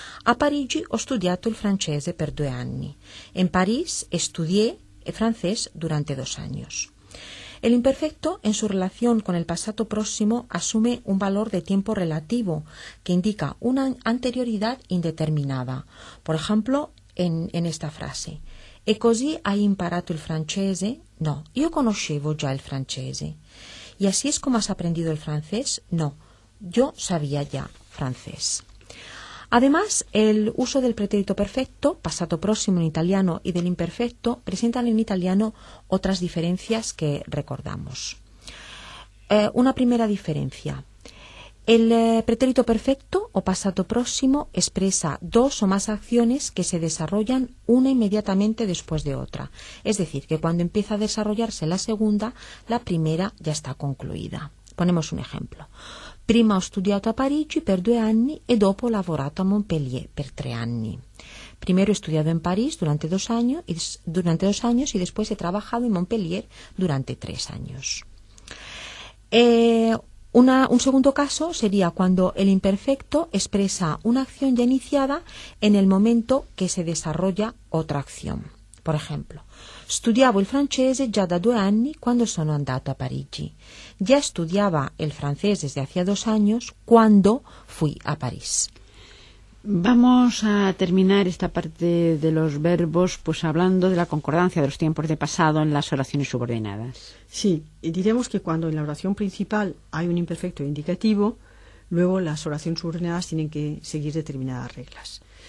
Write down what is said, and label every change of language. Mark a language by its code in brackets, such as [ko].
[it] A Parigi ho studiato il francese per 2 anni. [es] En París estudié el francés durante 2 años. El imperfecto, en su relación con el passato prossimo, asume un valor de tiempo relativo que indica una anterioridad indeterminada. Por ejemplo, en esta frase: [it] «E così hai imparato il francese?» «No, io conoscevo già il francese». [es] ¿Y así es como has aprendido el francés? No, yo sabía ya francés. Además, el uso del pretérito perfecto, pasado próximo en italiano, y del imperfecto presentan en italiano otras diferencias que recordamos. Una primera diferencia. El pretérito perfecto o pasado próximo expresa 2 o más acciones que se desarrollan una inmediatamente después de otra. Es decir, que cuando empieza a desarrollarse la segunda, la primera ya está concluida. Ponemos un ejemplo. [it] Prima ho studiato a Parigi per 2 anni e dopo ho lavorato a Montpellier per 3 anni. [es] Primero he estudiado en París durante 2 años y después he trabajado en Montpellier durante 3 años. Un segundo caso sería cuando el imperfecto expresa una acción ya iniciada en el momento que se desarrolla otra acción. Por ejemplo, [it] studiavo il francese già da 2 anni quando sono andato a Parigi. [es] Ya estudiaba el francés desde hacía 2 años cuando fui a París. Vamos a terminar esta parte de los verbos pues hablando de la concordancia de los tiempos de pasado en las oraciones subordinadas. Sí, y diremos que cuando en la oración principal hay un imperfecto indicativo, luego las oraciones subordinadas tienen que seguir determinadas reglas.